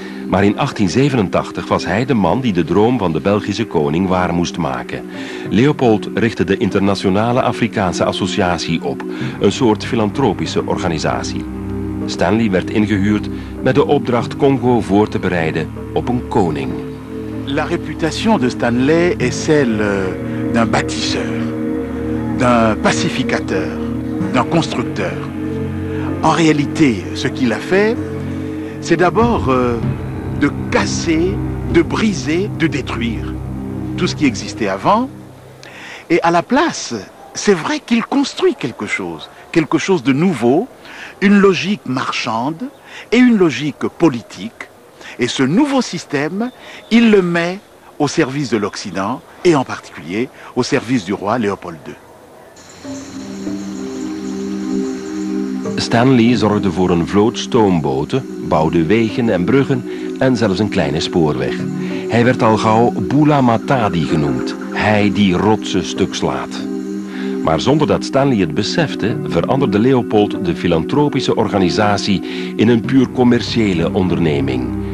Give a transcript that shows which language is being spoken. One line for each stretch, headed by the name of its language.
Dutch: Maar in 1887 was hij de man die de droom van de Belgische koning waar moest maken. Leopold richtte de Internationale Afrikaanse Associatie op, een soort filantropische organisatie. Stanley werd ingehuurd met de opdracht Congo voor te bereiden op een koning.
French: La réputation de Stanley est celle d'un bâtisseur, d'un pacificateur, d'un constructeur. En réalité, ce qu'il a fait, c'est d'abord de casser, de briser, de détruire tout ce qui existait avant. Et à la place, c'est vrai qu'il construit quelque chose de nouveau, une logique marchande et une logique politique. Et ce nouveau système, il le met au service de l'Occident et en particulier au service du roi Léopold II.
Dutch: Stanley zorgde voor een vloot stoomboten, bouwde wegen en bruggen en zelfs een kleine spoorweg. Hij werd al gauw Bula Matadi genoemd, hij die rotsen stuk slaat. Maar zonder dat Stanley het besefte, veranderde Leopold de filantropische organisatie in een puur commerciële onderneming.